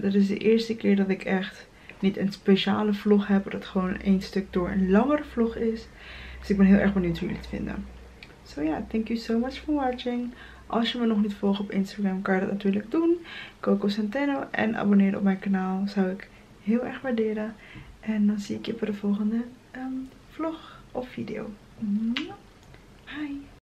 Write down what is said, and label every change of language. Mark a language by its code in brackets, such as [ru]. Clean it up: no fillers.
[nl] Dat is de eerste keer dat ik echt niet een speciale vlog heb. Dat gewoon één stuk door een langere vlog is. Dus ik ben heel erg benieuwd hoe jullie het vinden. [en] So ja, yeah, thank you so much for watching. [nl] Als je me nog niet volgt op Instagram, kan je dat natuurlijk doen. Coco Centeno. En abonneer op mijn kanaal. Zou ik heel erg waarderen. En dan zie ik je bij de volgende vlog of video. Bye.